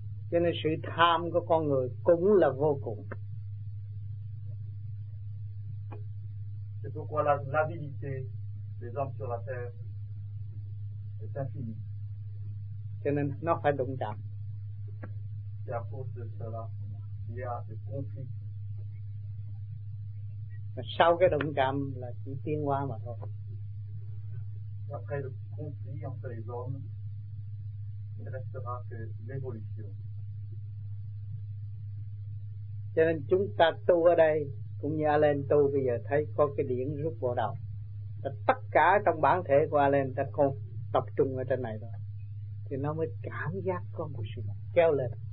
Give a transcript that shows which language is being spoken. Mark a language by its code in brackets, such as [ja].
[vi] Cho nên sự tham của con người cũng là vô cùng. [fr] C'est pourquoi l'avidité des hommes sur la terre est infinie. [vi] Cho nên nó phải đụng chạm. [fr] Et à cause de cela, il y a des conflits. [vi] Sau cái đụng chạm là chỉ tiến qua mà thôi. [fr] Après le conflit entre les hommes, il ne restera que l'évolution. [vi] Cho nên chúng ta tu ở đây cũng như Alan tu bây giờ thấy có cái điển rút vào đầu. Tất cả trong bản thể của Alan ta không tập trung ở trên này thôi, thì nó mới cảm giác có một sự kéo lên.